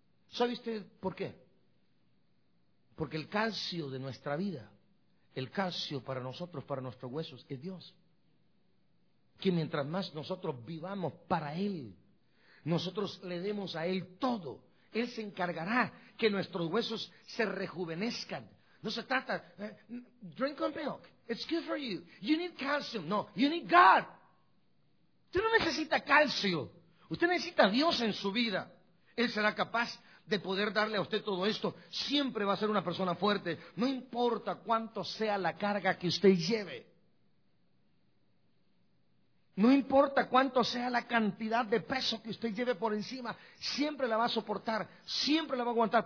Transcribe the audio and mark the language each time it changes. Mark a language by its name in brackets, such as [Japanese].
[Spanish] ¿Sabe usted por qué? Porque el calcio de nuestra vida, el calcio para nosotros, para nuestros huesos, es Dios. Que mientras más nosotros vivamos para Él, nosotros le demos a Él todo. Él se encargará que nuestros huesos se rejuvenezcan. No se trata, [English] drink on milk, it's good for you. You need calcium, no, you need God. [Spanish] Usted no necesita calcio, usted necesita a Dios en su vida. Él será capaz de poder darle a usted todo esto. Siempre va a ser una persona fuerte, no importa cuánto sea la carga que usted lleve. No importa cuánto sea la cantidad de peso que usted lleve por encima, siempre la va a soportar, siempre la va a aguantar.